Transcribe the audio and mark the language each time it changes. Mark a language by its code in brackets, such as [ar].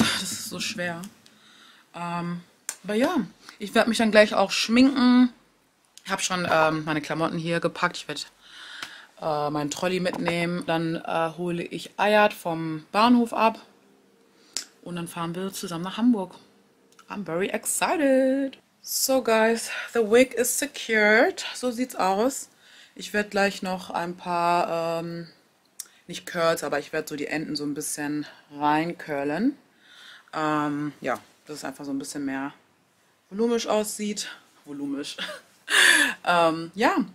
[de] Das ist so schwer. Aber ja, ich werde mich dann gleich auch schminken. Ich habe schon meine Klamotten hier gepackt. Ich werde meinen Trolley mitnehmen. Dann hole ich Ayat vom Bahnhof ab. Und dann fahren wir zusammen nach Hamburg. [en] I'm very excited. So guys, the wig is secured. [de] So sieht's aus. Ich werde gleich noch ein paar, nicht curls, aber ich werde so die Enden so ein bisschen reinkörlen. Ja, dass es einfach so ein bisschen mehr volumisch aussieht. Volumisch. ja.